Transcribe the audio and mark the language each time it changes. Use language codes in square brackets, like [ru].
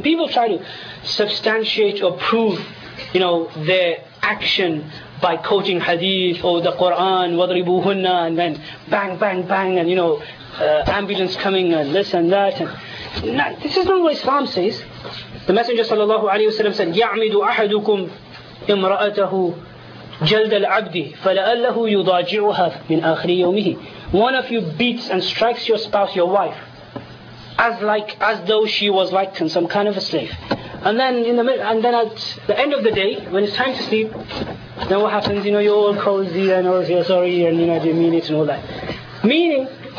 [en] People try to substantiate or prove, you know, their action by quoting hadith or the Quran, wadribuhunna, and then bang, bang, bang, and, you know, ambulance coming and this and that. This is not what Islam says. The Messenger sallallahu alayhi wasallam said, [ar] يَعْمِدُ أَحَدُكُمْ إِمْرَأَتَهُ جَلْدَ الْعَبْدِ فَلَأَلَّهُ يُضَاجِعُهَا مِنْ آخْرِ يَوْمِهِ. [en] One of you beats and strikes your spouse, your wife, as though she was like some kind of a slave. And then at the end of the day, when it's time to sleep, then what happens? You know, you're all cozy and all, you're sorry, and you know, you mean it and all that. Meaning,